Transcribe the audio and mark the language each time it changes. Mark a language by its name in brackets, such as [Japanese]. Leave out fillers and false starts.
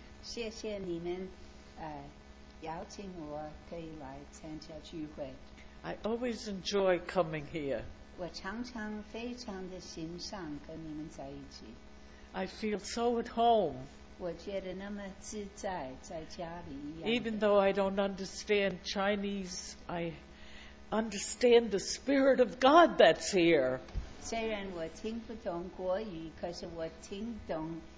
[Chinese] 谢谢你们, 邀请我, 可以来参加聚会。 [English] I always enjoy coming here. [Chinese] 我常常非常的欣赏跟你们在一起。 [English] I feel so at home. [Chinese] 我觉得那么自在在家里一样的。 [English] Even though I don't understand Chinese, I understand the Spirit of God that's here. [Chinese] 虽然我听不懂国语, 可是我听懂